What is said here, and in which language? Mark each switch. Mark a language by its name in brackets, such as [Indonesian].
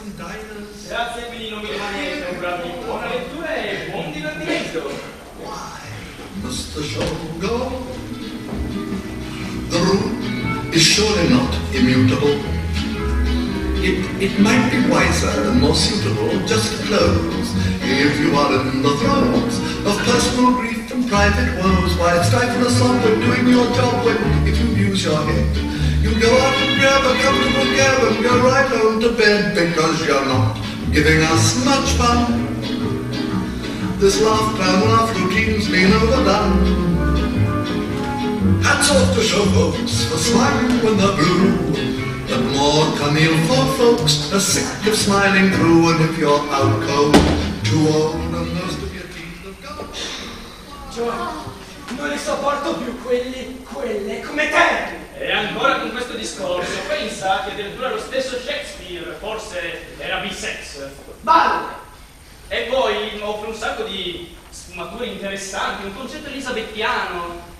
[Italian] Grazie, quindi non mi rimane che augurarvi buona lettura e buon divertimento. [English] Why must the show go? The room is surely not immutable. It might be wiser and more suitable just to close. If you are in the throes of personal grief and private woes, why stifle a song when doing your job, when if you use your head, you'll go out and grab a comfortable girl and go right home to bed, because you're not giving us much fun. This laugh routine's been overdone. Hats off to show folks for smiling when they're blue. But more Camille for folks are sick of smiling through. And if you're out cold, too old, and most of your teeth have gone. [Italian] Joe, non li sopporto più quelle come te. E ancora con questo discorso, pensa che addirittura lo stesso Shakespeare forse era bisex. Balle! E poi offre un sacco di sfumature interessanti, un concetto elisabettiano.